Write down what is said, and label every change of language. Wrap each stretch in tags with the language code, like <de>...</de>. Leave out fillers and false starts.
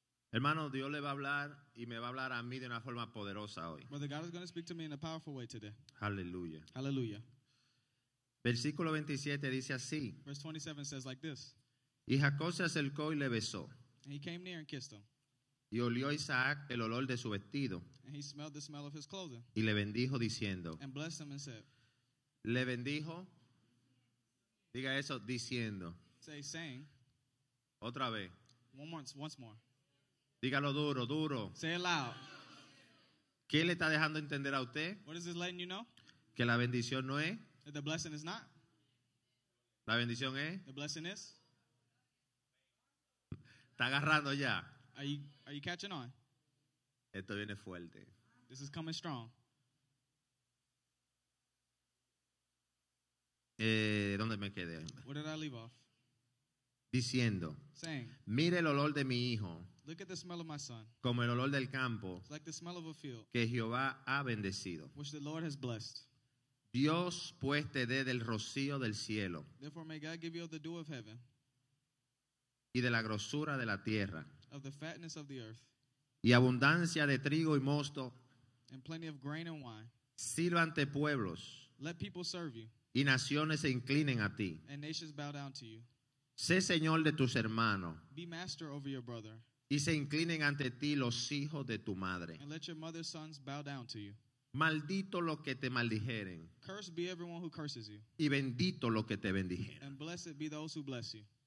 <es>Hermano, Dios le va a hablar y me va a hablar a mí de una forma poderosa hoy.</es> <en>Brother, God is going to speak to me in a powerful way today.</en> <es>Aleluya. Aleluya. Versículo 27 dice así.</es> <en>Verse 27 says like this.</en> <es>Y Jacob se acercó y le besó.</es> <en>And he came near and kissed him.</en> <es>Y olió Isaac el olor de su vestido.</es> <en>And he smelled the smell of his clothing.</en> <es>Y le bendijo diciendo.</es> <en>And blessed him and said.</en> <es>Le bendijo. Diga eso diciendo.</es> <en>Say saying.</en> <es>Otra vez.</es> <en>Once more.</en> <es>Dígalo duro, duro.</es> <en>Say it loud.</en> <es>¿Qué le está dejando entender a usted?</es> <en>What is this letting you know?</en> <es>Que la bendición no es.</es> <en>That the blessing is not.</en> <es>La bendición es.</es> <en>The blessing is.</en> <es>Está agarrando ya.</es> <en>Are you catching on?</en> <es>Esto viene fuerte.</es> <en>This is coming strong.</en> <es>¿Dónde me quedé?</es> <en>Where did I leave off?</en> <es>Diciendo.</es> <en>Saying.</en> <es>Mire el olor de mi hijo.</es> <en>Look at the smell of my son.</en> <es>Como el olor del campo.</es> <en>It's like the smell of a field.</en> <es>Que Jehová ha bendecido.</es> <en>Which the Lord has blessed.</en> <es>Dios pues te dé del rocío del cielo.</es> <en>Therefore may God give you the dew of heaven.</en> <es>Y de la grosura de la tierra.</es> <en>Of the fatness of the earth.</en> <es>Y abundancia de trigo y mosto.</es> <en>And plenty of grain and wine.</en> <es>Sirva ante pueblos.</es> <en>Let people serve you.</en> <es>Y naciones se inclinen a ti.</es> <en>And nations bow down to you.</en> <es>Sé señor de tus hermanos.</es> <en>Be master over your brother.</en> <es>Y se inclinen ante ti los hijos de tu madre.</es> <en>And let your mother's sons bow down to you.</en> <es>Maldito lo que te maldijeren.</es> <en>Cursed be everyone who curses you.</en> <es>Y bendito lo que te bendijeren.</es> <en>And blessed be those who bless you.</en>